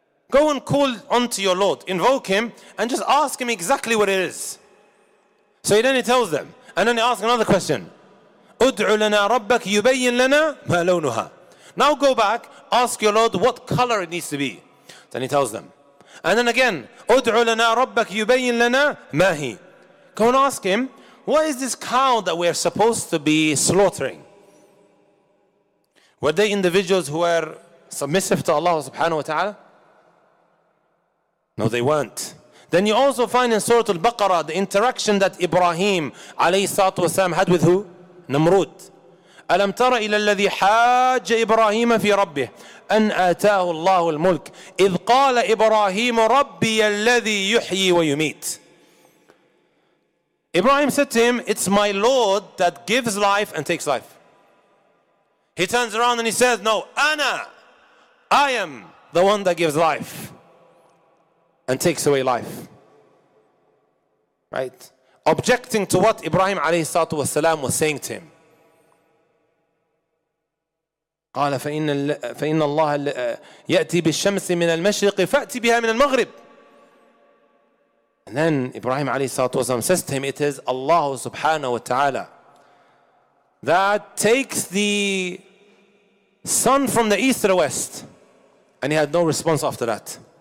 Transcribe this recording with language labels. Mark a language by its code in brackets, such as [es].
[en] Go and call onto your Lord. Invoke him and just ask him exactly what it is. So then he tells them. And then he asks another question. [ar] ادْعُ لَنَا رَبَّكَ يُبَيِّن لَنَا مَا لَوْنُهَا. [en] Now go back, ask your Lord what color it needs to be. Then he tells them. And then again, [ar] ادْعُ لَنَا رَبَّكَ يُبَيِّن لَنَا مَا هِي. [en] Go and ask him, what is this cow that we are supposed to be slaughtering? Were they individuals who were submissive to Allah subhanahu wa ta'ala? No, they weren't. Then you also find in Surah Al-Baqarah the interaction that Ibrahim alayhi salatu wasalam had with who? [ar] Namrud. أَلَمْ تَرَ إِلَى الَّذِي حَاجَّ إِبْرَاهِيمَ فِي رَبِّهِ أَنْ آتَاهُ اللَّهُ الْمُلْكِ إِذْ قَالَ إِبْرَاهِيمُ رَبِّيَ الَّذِي يُحْيِي وَيُمِيتُ. [en] Ibrahim said to him, it's my Lord that gives life and takes life. He turns around and he says, no, I am the one that gives life and takes away life. Right? Objecting to what Ibrahim alayhi salatu wasalam was saying to him. [ar] قال فإن الله يأتي بالشمس من المشرق فأتي بها من المغرب. [en] And then Ibrahim عليه الصلاة والسلام says to him, it is Allah subhanahu wa ta'ala that takes the sun from the east to the west. And he had no response after that.